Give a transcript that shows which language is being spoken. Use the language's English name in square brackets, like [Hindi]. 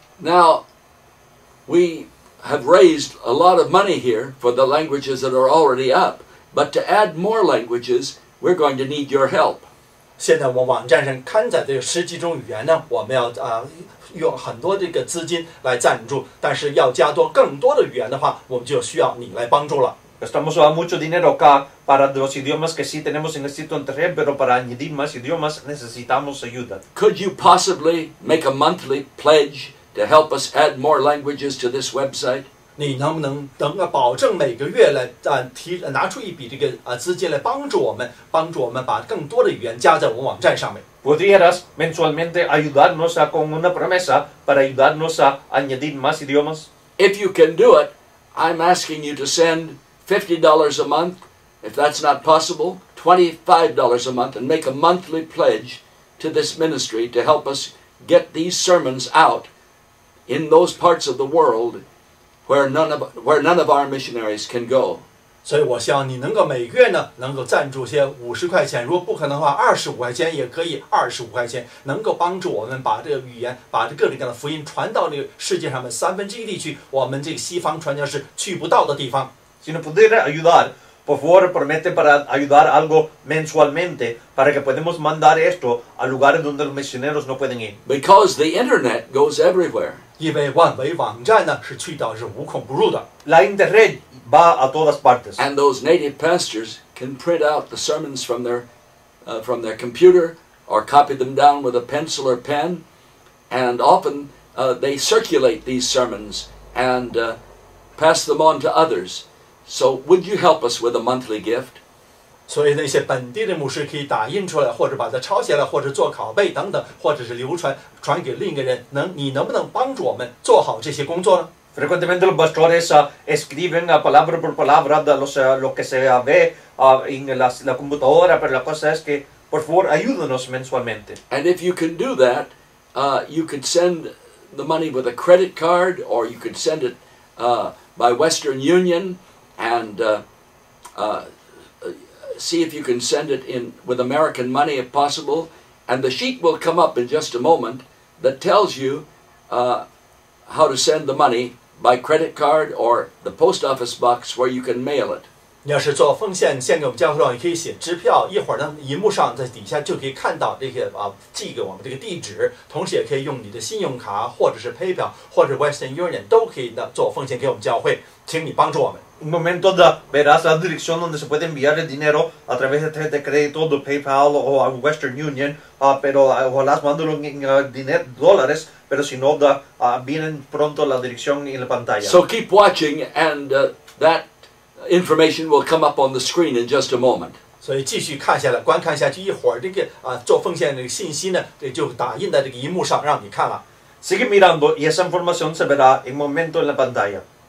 [English] Now, we have raised a lot of money here for the languages that are already up, but to add more languages, we're going to need your help. [Chinese] 现在我们网站上刊载的十几种语言呢，我们要用很多这个资金来赞助，但是要加多更多的语言的话，我们就需要你来帮助了。 [Spanish] Estamos usando mucho dinero acá para los idiomas que sí tenemos en el sitio internet, pero para añadir más idiomas necesitamos ayuda. [English] Could you possibly make a monthly pledge to help us add more languages to this website? [Chinese] 你能不能保证每个月来拿出一笔这个资金来帮助我们，帮助我们把更多的语言加在我们网站上面？ [Spanish] ¿Podrías mensualmente ayudarnos con una promesa para ayudarnos a añadir más idiomas? [English] If you can do it, I'm asking you to send $50 a month. If that's not possible, $25 a month and make a monthly pledge to this ministry to help us get these sermons out in those parts of the world where none of our missionaries can go. [Chinese] 所以我希望你能够每个月呢能够赞助些50块钱，如果不可能的话25块钱也可以，25块钱能够帮助我们把这个语言，把这各种各样的福音传到这个世界上面1/3地区，我们这个西方传教士去不到的地方。 [Spanish] Si nos pudiera ayudar, por favor, promete para ayudar algo mensualmente para que podamos mandar esto a lugares donde los misioneros no pueden ir. [English] Because the internet goes everywhere. [Chinese] 因为万维网站呢是去到是无孔不入的。 [Spanish] La internet va a todas partes. [English] And those native pastors can print out the sermons from their computer or copy them down with a pencil or pen, and often they circulate these sermons and pass them on to others. So, would you help us with a monthly gift? [Chinese] 所以那些本地的牧师可以打印出来，或者把它抄写了，或者做拷贝等等，或者是流传传给另一个人。能你能不能帮助我们做好这些工作呢 [Spanish] ？Frecuentemente los pastores escriben palabra por palabra de los lo que se ve en la computadora, pero la cosa es que por favor ayúdenos mensualmente. [English] And if you can do that, you could send the money with a credit card, or you could send it by Western Union. And see if you can send it in with American money if possible. And the sheet will come up in just a moment that tells you how to send the money by credit card or the post office box where you can mail it. [Chinese] 你要是做奉献献给我们教会的话，你可以写支票，一会儿呢，荧幕上在底下就可以看到这些啊，寄给我们这个地址。同时也可以用你的信用卡或者是 PayPal 或者 Western Union 都可以呢做奉献给我们教会，请你帮助我们。 [Spanish] Un momento de verás la dirección donde se puede enviar el dinero a través de tarjeta de crédito, de PayPal o a Western Union, pero ojalá mándalo en dólares, pero si no, vienen pronto la dirección en la pantalla. [English] So keep watching, and that information will come up on the screen in just a moment. [Chinese] 所以继续看下来，观看下去，一会儿这个做奉献的信息呢，这就打印在这个荧幕上让你看了。 [Spanish] Sigue mirando y esa información se verá en momento en la pantalla.